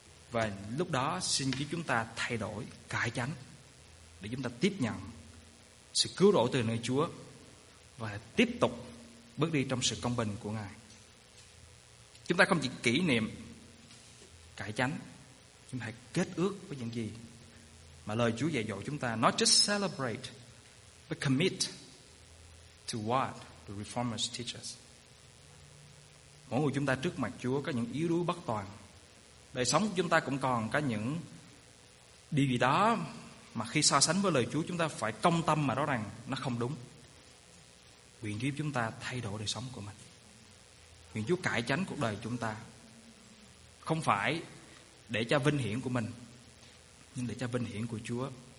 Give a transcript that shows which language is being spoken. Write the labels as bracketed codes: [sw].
[vi] Và lúc đó xin Chúa chúng ta thay đổi, cải chánh, để chúng ta tiếp nhận sự cứu rỗi từ nơi Chúa và tiếp tục bước đi trong sự công bình của Ngài. Chúng ta không chỉ kỷ niệm cải chánh, chúng ta hãy kết ước với những gì mà lời Chúa dạy dỗ chúng ta. [en] Not just celebrate, but commit to what the reformers teach us. [vi] Mỗi người chúng ta trước mặt Chúa có những yếu đuối bất toàn, đời sống của chúng ta cũng còn có những điều gì đó mà khi so sánh với lời Chúa chúng ta phải công tâm mà rõ ràng nó không đúng. Nguyện giúp chúng ta thay đổi đời sống của mình, nguyện Chúa cải chánh cuộc đời chúng ta, không phải để cho vinh hiển của mình, nhưng để cho vinh hiển của Chúa.